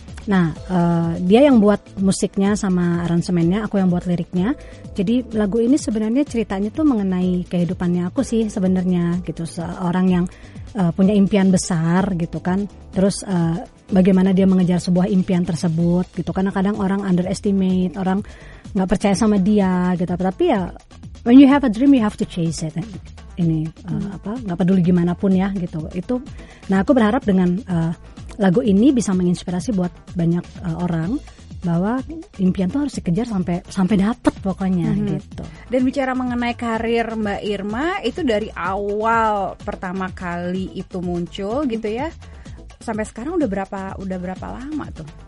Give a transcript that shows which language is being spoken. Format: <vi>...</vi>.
<id>Nah, dia yang buat musiknya sama aransemennya, aku yang buat liriknya. Jadi lagu ini sebenarnya ceritanya tuh mengenai kehidupannya aku sih sebenarnya gitu. Seorang yang punya impian besar gitu kan. Terus bagaimana dia mengejar sebuah impian tersebut gitu. Karena kadang orang underestimate, orang gak percaya sama dia gitu. Tapi ya,</id> <en>when you have a dream, you have to chase it.</en> <id>Ini nggak peduli gimana pun ya gitu itu. Nah aku berharap dengan lagu ini bisa menginspirasi buat banyak orang bahwa impian tuh harus dikejar sampai dapet pokoknya gitu. Dan bicara mengenai karir Mbak Irma itu dari awal pertama kali itu muncul gitu ya sampai sekarang udah berapa lama tuh?</id>